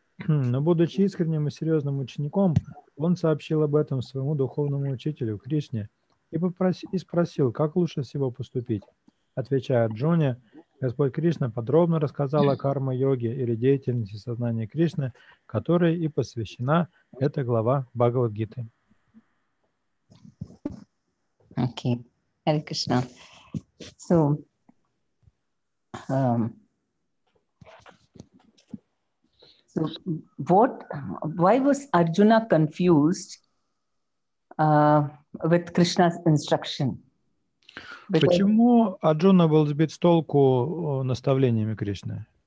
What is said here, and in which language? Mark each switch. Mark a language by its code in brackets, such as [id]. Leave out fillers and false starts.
[ru] Но будучи искренним и серьезным учеником, он сообщил об этом своему духовному учителю Кришне и спросил, как лучше всего поступить. Отвечая Арджуне, Господь Кришна подробно рассказал о карма-йоге или деятельности сознания Кришны, которой и посвящена эта глава Бхагавад-гиты. [en] Okay, Hare Krishna. So, why was Arjuna confused with Krishna's instruction? [ru] Почему Арджуна был сбит с толку наставлениями Кришны?